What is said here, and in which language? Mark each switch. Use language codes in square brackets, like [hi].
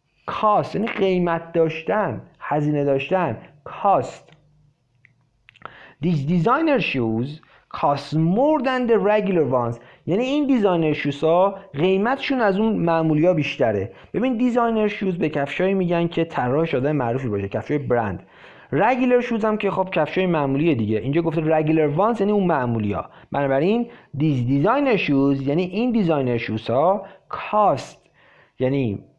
[fa] cost یعنی قیمت داشتن، هزینه داشتن. [en] cost. these designer shoes cost more than the regular ones. [fa] یعنی این دیزاینر شوزا قیمتشون از اون معمولیا بیشتره. ببین دیزاینر شوز به کفشایی میگن که طراح شده معروفی باشه، کفشای برند. [en] regular shoes [fa] هم که خب کفشای معمولیه دیگه. اینجا گفته [en] regular ones [fa] یعنی اون معمولیا. بنابراین [en] these designer shoes [fa] یعنی این دیزاینر شوزا cost یعنی